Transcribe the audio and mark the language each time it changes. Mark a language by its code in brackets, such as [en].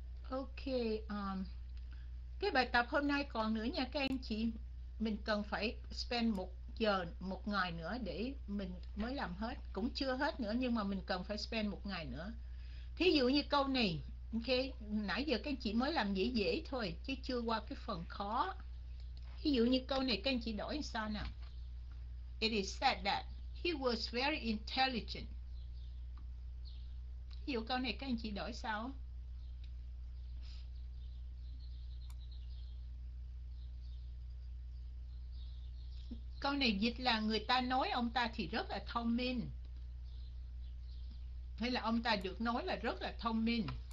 [vi] Ok, cái bài tập hôm nay còn nữa nha các anh chị, mình cần phải spend 1 giờ, 1 ngày nữa để mình mới làm hết, cũng chưa hết nữa nhưng mà mình cần phải spend 1 ngày nữa. Thí dụ như câu này, ok, nãy giờ các anh chị mới làm dễ dễ thôi chứ chưa qua cái phần khó. Thí dụ như câu này các anh chị đổi sao nào? [en] It is said that he was very intelligent. [vi] Ví dụ câu này các anh chị đổi sao? Câu này dịch là người ta nói ông ta thì rất là thông minh. Hay là ông ta được nói là rất là thông minh.